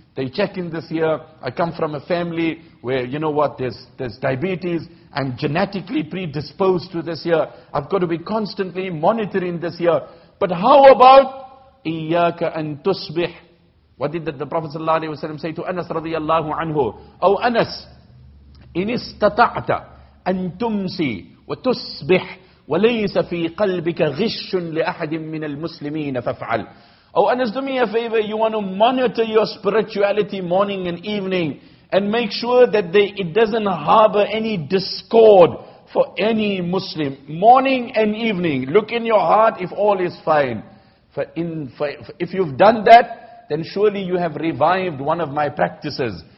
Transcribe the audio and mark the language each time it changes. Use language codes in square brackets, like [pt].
[en] They check in this year. I come from a family where, you know what, there's diabetes. I'm genetically predisposed to this year. I've got to be constantly monitoring this year. But how about [ar] إِيَّاكَ أَن تُصْبِحْ? [en] What did the Prophet ﷺ say to Anas radiallahu anhu? [ar] Oh Anas, إِنِ اسْتَطَعْتَ أَن تُمْسِي وَتُصْبِحْ وَلَيْسَ فِي قَلْبِكَ غِشٌ لِأَحَدٍ مِّنَ الْمُسْلِمِينَ فَفْعَلْ. [en] Oh Anas, do me a favor, you want to monitor your spirituality morning and evening and make sure that it doesn't harbor any discord for any Muslim. Morning and evening, look in your heart if all is fine. If you've done that, then surely you have revived one of my practices.